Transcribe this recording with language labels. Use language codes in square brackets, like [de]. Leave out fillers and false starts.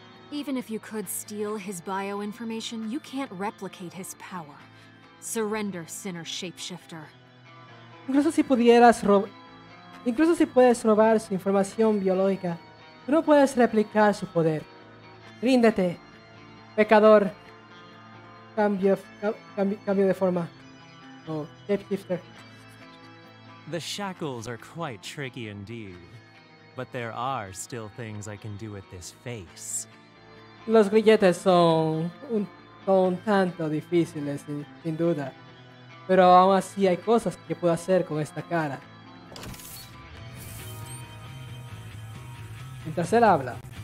[en] Even if you could steal his bio information, you can't replicate his power. Surrender, sinner shapeshifter. [es] Incluso si pudieras Incluso si puedes robar su información biológica, tú no puedes replicar su poder. Ríndete, pecador. Cambio de forma. Oh, shapeshifter. [en] The shackles are quite tricky indeed, but there are still things I can do with this face. [es] Los grilletes son un tanto difíciles, sin duda. Pero aún así hay cosas que puedo hacer con esta cara. Mientras él habla.